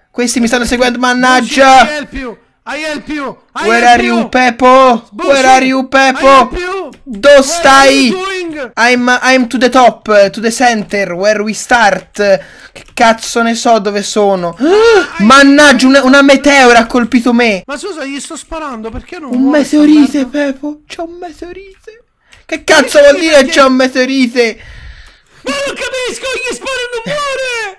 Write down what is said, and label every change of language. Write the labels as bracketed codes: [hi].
[it] Questi mi stanno seguendo, mannaggia. [en] I help you. Where are you, Peppo? Bushi, where are you, Peppo? [it] Do stai? [en] I'm to the top, to the center, where we start. [it] Che cazzo ne so dove sono. Mannaggia, una meteora ha colpito me. Ma scusa, gli sto sparando, perché non... Un meteorite, Peppo. C'è un meteorite. Che cazzo vuol dire c'è un meteorite? Ma non capisco, gli sparo e non muore.